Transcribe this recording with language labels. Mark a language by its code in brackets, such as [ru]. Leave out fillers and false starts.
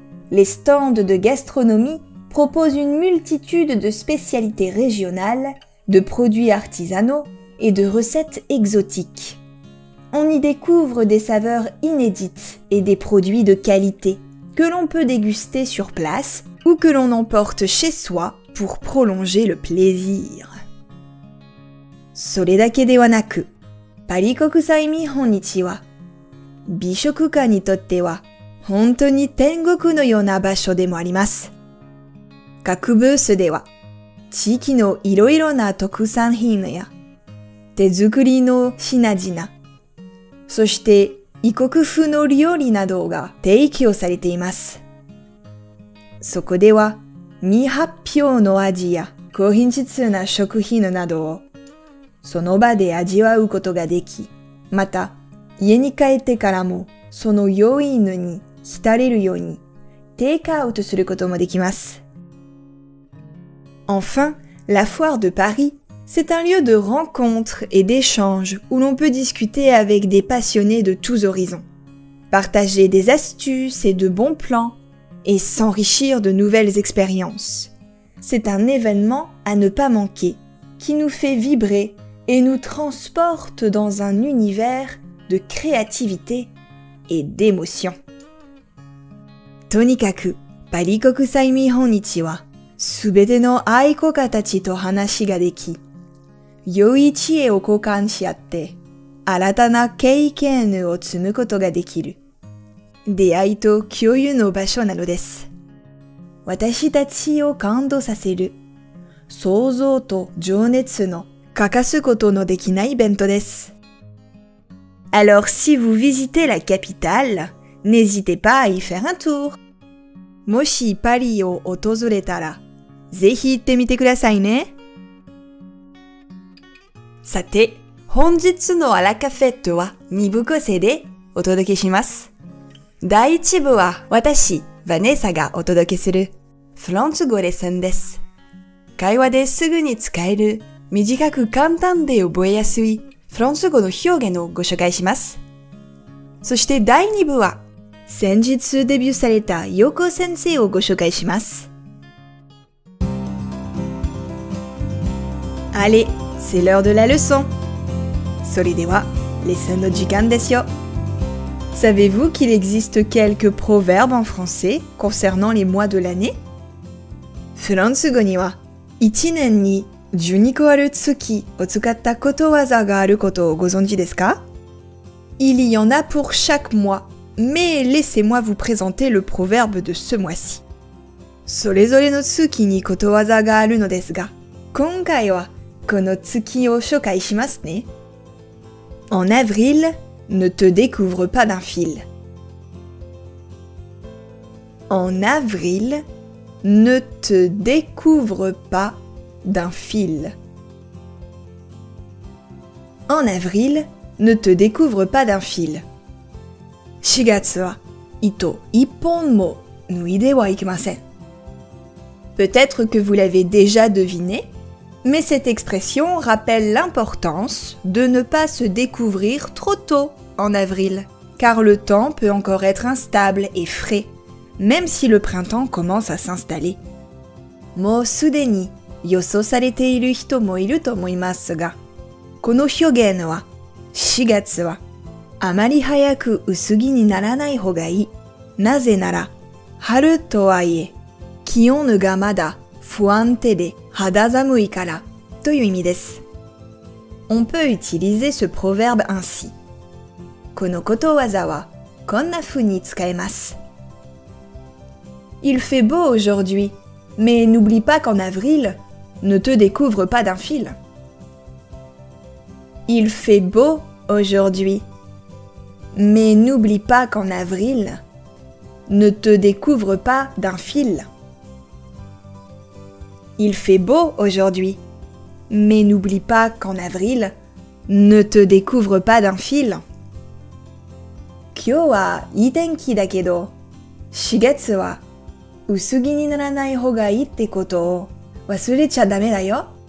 [fr] Les stands de gastronomie proposent une multitude de spécialités régionales, de produits artisanaux et de recettes exotiques. On y découvre des saveurs inédites et des produits de qualité que l'on peut déguster sur place ou que l'on emporte chez soi pour prolonger le plaisir. [ja] それだけではなく、パリ国際見本市は美食家にとっては本当に天国のような場所でもあります。各ブースでは地域のいろいろな特産品や手作りの品々、そして異国風の料理などが提供されています。そこでは未発表の味や高品質な食品などをその場で味わうことができ、また、家に帰ってからも、その余韻に浸れるように、テイクアウトすることもできます。 [fr] Enfin, la foire de Paris, c'est un lieu de rencontres et d'échanges où l'on peut discuter avec des passionnés de tous horizons, partager des astuces et de bons plans, et s'enrichir de nouvelles expériences. C'est un événement à ne pas manquer, qui nous fait vibrer,et nous transporte dans un univers de créativité et d'émotion. [ja] とにかく、パリ国際見本市は、すべての愛好家たちと話ができ、良い知恵を交換し合って、新たな経験を積むことができる、出会いと共有の場所なのです。私たちを感動させる、想像と情熱の欠かすことのできないイベントです。 [fr] Alors, si vous visitez la capitale, n'hésitez pas à y faire un tour. [ja] もしパリを訪れたら、ぜひ行ってみてくださいね。さて、本日のアラカフェットは2部構成でお届けします。第1部は私、ヴァネサがお届けするフランス語レッスンです。会話ですぐに使える短く簡単で覚えやすいフランス語の表現をご紹介します。そして第2部は先日デビューされたヨコ先生をご紹介します。 [fr] Allez, c'est l'heure de la leçon. [ja] それでは、レッスンの時間ですよ。 [fr] Savez-vous qu'il existe quelques proverbes en français concernant les mois de l'année? [ja] フランス語には、1年に12個ある月を使ったことわざがあることをご存知ですか? [fr] Il y en a pour chaque mois, mais laissez-moi vous présenter le proverbe de ce mois-ci. [ja] それぞれの月にことわざがあるのですが、今回はこの月を紹介しますね。 [fr] En avril, ne te découvre pas d'un fil. En avril, ne te découvre pas d'un fil. En avril, ne te découvre pas d'un fil. [ja] 4月は糸一本も脱いではいけません。 [fr] Peut-être que vous l'avez déjà deviné? Mais cette expression rappelle l'importance de ne pas se découvrir trop tôt en avril, car le temps peut encore être instable et frais, même si le printemps commence à s'installer. [ja] もうすでに予想されている人もいると思いますが、この表現は4月はあまり早く薄着にならない方がいい。なぜなら、春とはいえ、気温がまだ不安定で、肌寒いからという意味です。 [fr] On peut utiliser ce proverbe ainsi. [ja] このことわざはこんな風に使えます。 [fr] Il fait beau aujourd'hui, mais n'oublie pas qu'en avril, ne te découvre pas d'un fil. Il fait beau aujourd'hui, mais n'oublie pas qu'en avril, ne te découvre pas d'un fil. Il fait beau aujourd'hui, mais n'oublie pas qu'en avril, ne te découvre pas d'un fil. [ja] 今日はいい天気だけど、4月は薄着にならない方がいいってことを忘れちゃダメだよ。